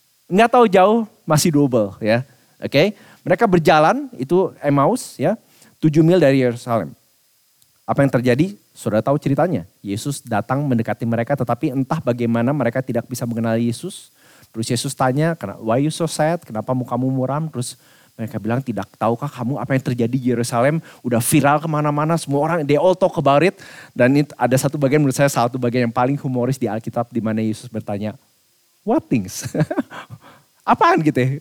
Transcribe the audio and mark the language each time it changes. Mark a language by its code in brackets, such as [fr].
[id] Nggak tahu jauh, masih double ya. Oke, mereka berjalan, itu Emmaus ya, 7 mil dari Yerusalem. Apa yang terjadi? Saudara tahu ceritanya. Yesus datang mendekati mereka, tetapi entah bagaimana mereka tidak bisa mengenali Yesus. Terus Yesus tanya, [en] why are you so sad? [id] Kenapa mukamu muram? Terus mereka bilang, tidak tahukah kamu apa yang terjadi di Yerusalem? Udah viral kemana-mana, semua orang, [en] they all talk about it. [id] Dan ada satu bagian, menurut saya satu bagian yang paling humoris di Alkitab, di mana Yesus bertanya, [en] what things? [id] Apaan gitu ya?